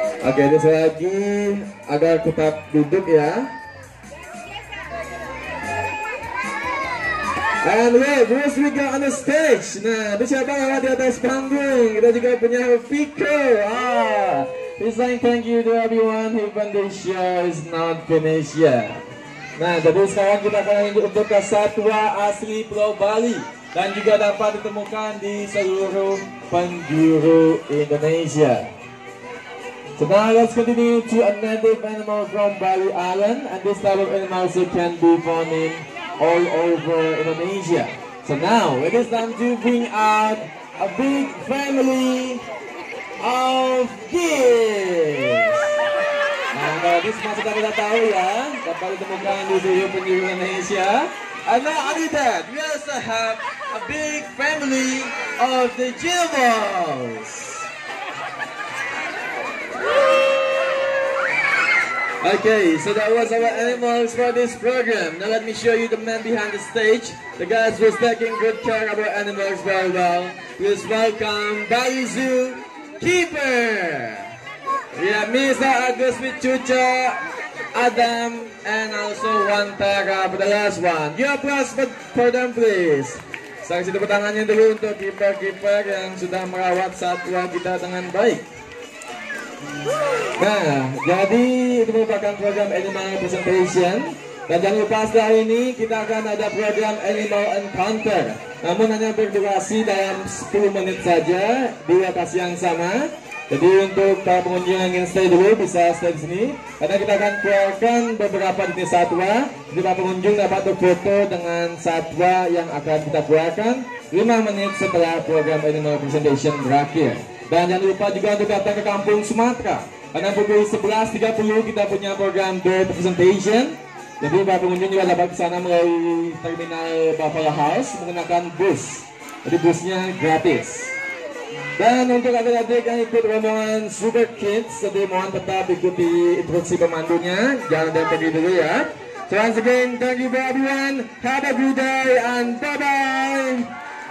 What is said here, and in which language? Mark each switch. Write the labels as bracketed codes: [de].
[id] Oke, ini saya lagi agar tetap duduk ya. [en] And wait, who else we got on the stage? [id] Nah, itu siapa yang ada di atas panggung? Kita juga punya Fiko. [en] Ah, he's saying thank you to everyone, even this show is not finished yet. [id] Nah, jadi sekarang kita akan lanjut untuk ke satwa asli Pulau Bali dan juga dapat ditemukan di seluruh penjuru Indonesia. [en] So now let's continue to a native animal from Bali Island, and this type of animal can be found in all over Indonesia. So now it is time to bring out a big family of geese. [id] Nah, kalau geese masih kita tahu ya, dapat ditemukan di seluruh penjuru Indonesia. [en] And now only that, we also have a big family of the gerbils. Okay, so that was our animals for this program. Now let me show you the man behind the stage. The guys who's taking good care of our animals very well. Please welcome Bali Zoo Keeper. We have Mr. Agus with Chucha, Adam, and also Wantara for the last one. Your applause for them, please. [id] Saksi tepuk tangannya dulu untuk keeper-keeper yang sudah merawat satwa kita dengan baik. Nah, jadi itu merupakan program Animal Presentation. Dan jangan lupa setelah ini kita akan ada program Animal Encounter. Namun hanya berdurasi dalam 10 menit saja di lokasi yang sama. Jadi untuk para pengunjung yang ingin stay dulu bisa stay di sini. Karena kita akan keluarkan beberapa jenis satwa. Jadi para pengunjung dapat foto dengan satwa yang akan kita keluarkan 5 menit setelah program Animal Presentation berakhir. Dan jangan lupa juga untuk datang ke Kampung Sumatera. Karena pukul 11.30 kita punya program Bird Presentation. Jadi para pengunjung juga dapat ke sana melalui terminal Buffalo House menggunakan bus. Jadi busnya gratis. Dan untuk adik-adik yang ikut rombongan Super Kids, jadi mohon tetap ikuti instruksi pemandunya. Jangan dan pergi dulu ya. [en] So once again, thank you for everyone. Have a good day and bye-bye.